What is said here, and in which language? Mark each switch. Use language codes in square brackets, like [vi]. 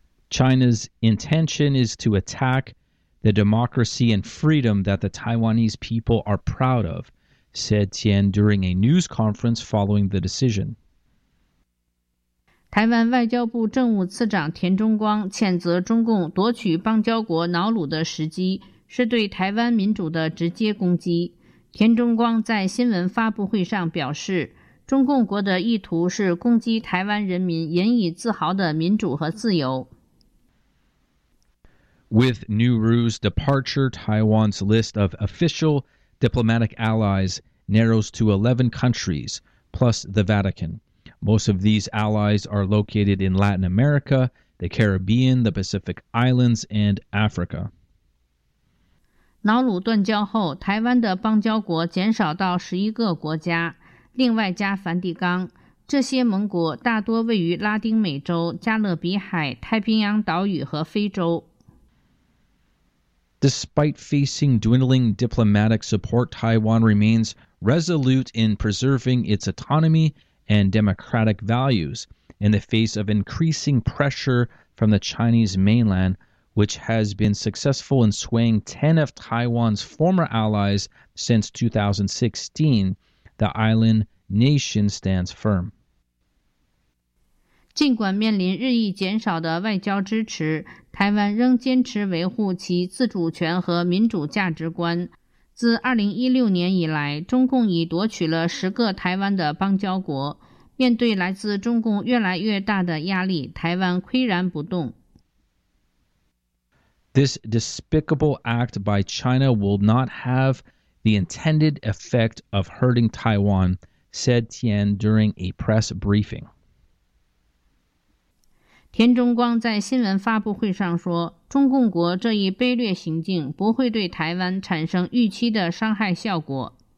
[en] China's intention is to attack the democracy and freedom that the Taiwanese people are proud of, said Tian during a news conference following the decision. [zh] 台湾外交部政务次长田中光谴责中共夺取邦交国瑙鲁的时机是对台湾民主的直接攻击。田中光在新闻发布会上表示，中共国的意图是攻击台湾人民引以自豪的民主和自由。 [en] With Nauru's departure, Taiwan's list of official diplomatic allies narrows to 11 countries, plus the Vatican. Most of these allies are located in Latin America, the Caribbean, the Pacific Islands, and Africa. [zh] 瑙鲁断交后，台湾的邦交国减少到11个国家，另外加梵蒂冈。这些盟国大多位于拉丁美洲、加勒比海、太平洋岛屿和非洲。 [en] Despite facing dwindling diplomatic support, Taiwan remains resolute in preserving its autonomy,and democratic values in the face of increasing pressure from the Chinese mainland, which has been successful in swaying 10 of Taiwan's former allies since 2016, the island nation stands firm. [zh] 尽管面临日益减少的外交支持，台湾仍坚持维护其自主权和民主价值观。自2016年以来，中共已夺取了10个台湾的邦交国。面对来自中共越来越大的压力，台湾岿然不动。 [en] This despicable act by China will not have the intended effect of hurting Taiwan, said Tian during a press briefing. [zh] 田中光在新闻发布会上说，中共国这一卑劣行径不会对台湾产生预期的伤害效果。